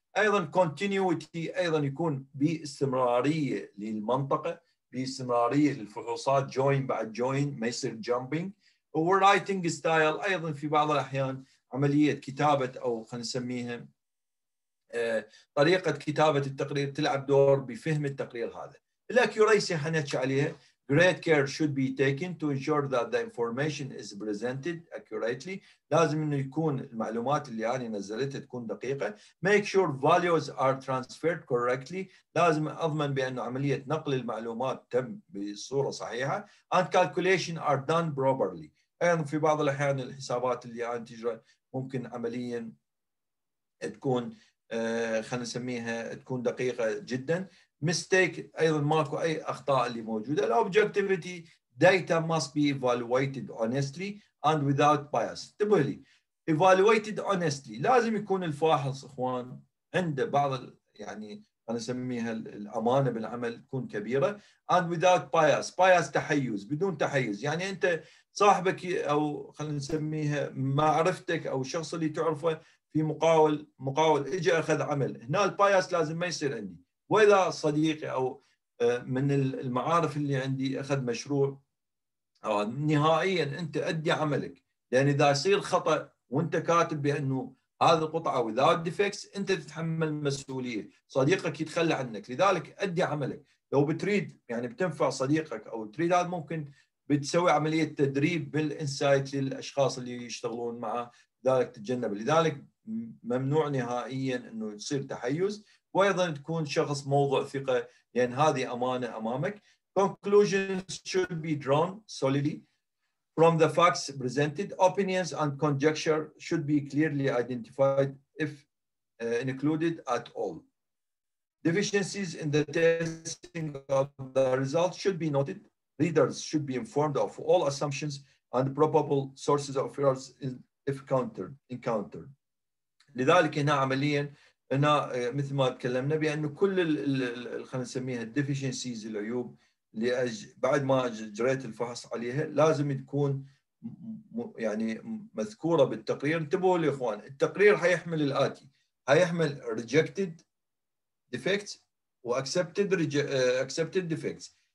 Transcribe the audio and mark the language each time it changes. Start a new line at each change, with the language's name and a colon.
Arabic: ايضا كونتينيوتي ايضا يكون باستمراريه للمنطقه، باستمراريه للفحوصات جوين بعد جوين، ما يصير جامبينج. ورايتنج ستايل ايضا في بعض الاحيان عمليه كتابه او خلينا نسميها طريقة كتابة التقرير تلعب دور بفهم التقرير هذا. الأكيوريسي حنتش عليها.
English: Great care should be taken to ensure that the information is presented accurately.
Arabic: لازم أنه يكون المعلومات اللي أنا نزلتها تكون دقيقة.
English: Make sure values are transferred correctly.
Arabic: لازم أضمن بأنه عملية نقل المعلومات تم بصورة صحيحة.
English: And calculation are done properly.
Arabic: أيضا في بعض الأحيان الحسابات اللي أنا تجرى ممكن عمليا تكون خلنا نسميها تكون دقيقة جدا. مستيك أيضا ماكو أي أخطاء اللي موجودة.
English: الأوبجكتيفيتي data must be evaluated honestly and without bias.
Arabic: تبهلي evaluated honestly، لازم يكون الفاحص إخوان عنده بعض يعني خلنا نسميها الأمانة بالعمل تكون كبيرة.
English: and without bias، bias تحيز، بدون تحيز.
Arabic: يعني أنت صاحبك أو خلنا نسميها معرفتك أو الشخص اللي تعرفه في مقاول اجى اخذ عمل، هنا البايس لازم ما يصير عندي. واذا صديقي او من المعارف اللي عندي اخذ مشروع، او نهائيا انت ادي عملك، لان اذا يصير خطا وانت كاتب بانه هذه القطعه without defects انت تتحمل مسؤوليه، صديقك يتخلى عنك. لذلك ادي عملك. لو بتريد يعني بتنفع صديقك او تريد، هذا ممكن بتسوي عمليه تدريب بالانسايت للاشخاص اللي يشتغلون معه، لذلك تتجنب. لذلك ممنوع نهائيا انه يصير تحيز، وايضا تكون شخص موضوع ثقه، لان يعني هذه امانه امامك.
English: Conclusions should be drawn solidly from the facts presented. Opinions and conjecture should be clearly identified if included at all. Deficiencies in the testing of the results should be noted. Readers should be informed of all assumptions and probable sources of errors if encountered.
Arabic: لذلك هنا عمليا هنا مثل ما تكلمنا بانه كل خلينا نسميها الديفيشنسيز العيوب اللي بعد ما جريت الفحص عليها لازم تكون يعني مذكوره بالتقرير. انتبهوا لي اخوان، التقرير حيحمل الاتي: حيحمل ريجكتد ديفيكتس واكسبتد اكسبتد ديفيكتس.